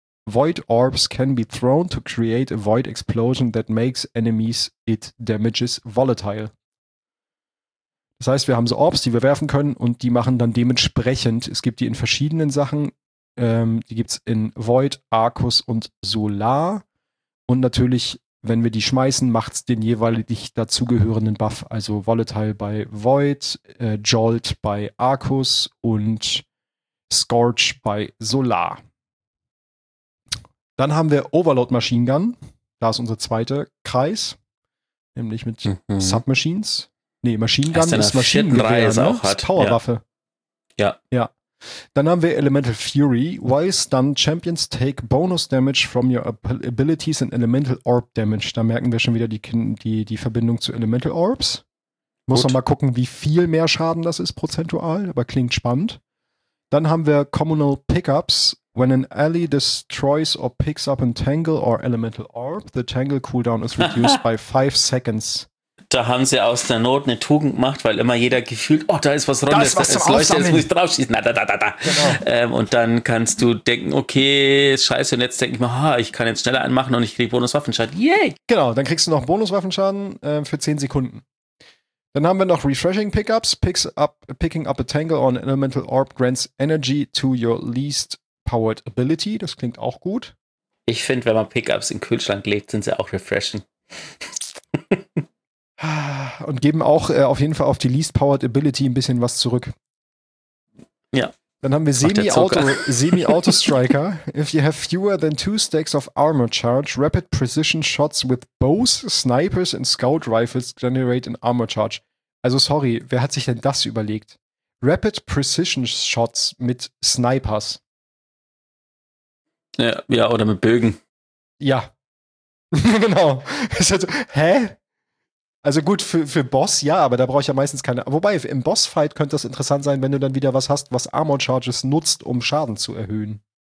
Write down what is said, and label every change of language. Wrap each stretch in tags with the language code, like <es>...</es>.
<en>Void orbs can be thrown to create a Void explosion that makes enemies it damages volatile.</en> <de>Das heißt, wir haben so Orbs, die wir werfen können und die machen dann dementsprechend, es gibt die in verschiedenen Sachen, die gibt's in Void, Arcus und Solar. Und natürlich, wenn wir die schmeißen, macht's den jeweilig dazugehörenden Buff. Also Volatile bei Void, Jolt bei Arcus und Scorch bei Solar. Dann haben wir Overload Machine Gun. Da ist unser zweiter Kreis. Nämlich mit Submachines. Nee, Machine Gun ist Maschinengewehr, ne? Powerwaffe. Ja. Ja. Dann haben wir</de> <en>Elemental Fury. While stunned, Champions take Bonus Damage from your Abilities and Elemental Orb Damage.</en> <de>Da merken wir schon wieder die Verbindung zu Elemental Orbs. Muss noch mal gucken, wie viel mehr Schaden das ist prozentual, aber klingt spannend. Dann haben wir Communal Pickups.</de> <en>When an ally destroys or picks up a Tangle or Elemental Orb, the Tangle Cooldown is reduced by 5 seconds.</en> <de>Da haben sie aus der Not eine Tugend gemacht, weil immer jeder gefühlt, oh, da ist was rund, das leuchtet, jetzt muss ich draufschießen. Na, da, da, da, da. Genau. Und dann kannst du denken, okay, scheiße, und jetzt denke ich mir, ha, ich kann jetzt schneller anmachen und ich kriege Bonuswaffenschaden. Yay! Genau, dann kriegst du noch Bonuswaffenschaden für 10 Sekunden. Dann haben wir noch Refreshing Pickups.</de> <en>Picking up a Tangle on Elemental Orb grants energy to your least powered ability.</en> <de>Das klingt auch gut. Ich finde, wenn man Pickups in den Kühlschrank legt, sind sie auch refreshing. Und geben auch auf jeden Fall auf die Least Powered Ability ein bisschen was zurück. Ja. Dann haben wir Semi-Auto Striker.</de> <en>If you have fewer than 2 stacks of armor charge, rapid precision shots with bows, snipers and scout rifles generate an armor charge.</en> <de>Also sorry, wer hat sich denn das überlegt?</de> <en>Rapid precision shots mit Snipers.</en> <de>Ja, oder mit Bögen. Ja. Genau. Hä? Also gut, für Boss, ja, aber da brauche ich ja meistens keine. Wobei, im Bossfight könnte das interessant sein, wenn du dann wieder was hast, was Armor Charges nutzt, um Schaden zu erhöhen.</de>